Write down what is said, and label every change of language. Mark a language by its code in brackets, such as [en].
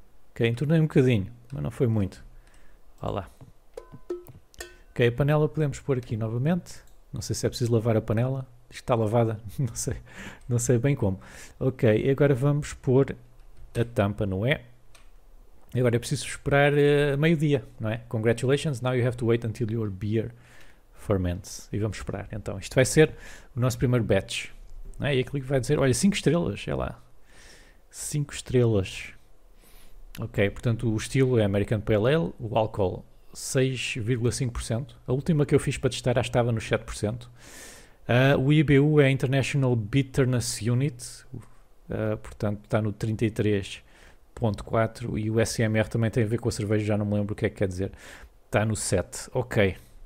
[pt] Ok, entornei um bocadinho, mas não foi muito. Olá. Ok, a panela podemos pôr aqui novamente. Não sei se é preciso lavar a panela. Diz que está lavada. Não sei. Não sei bem como. Ok, agora vamos pôr a tampa, não é? Agora é preciso esperar meio-dia, não é? [en] Congratulations, now you have to wait until your beer ferments. [pt] E vamos esperar. Então, isto vai ser o nosso primeiro batch. Não é? E aquilo que vai dizer, olha, 5 estrelas, é lá. 5 estrelas. Ok, portanto o estilo é American Pale Ale, o álcool 6,5%, a última que eu fiz para testar já estava nos 7%, o IBU é International Bitterness Unit, portanto está no 33.4 e o SMR também tem a ver com a cerveja, já não me lembro o que é que quer dizer, está no 7, ok.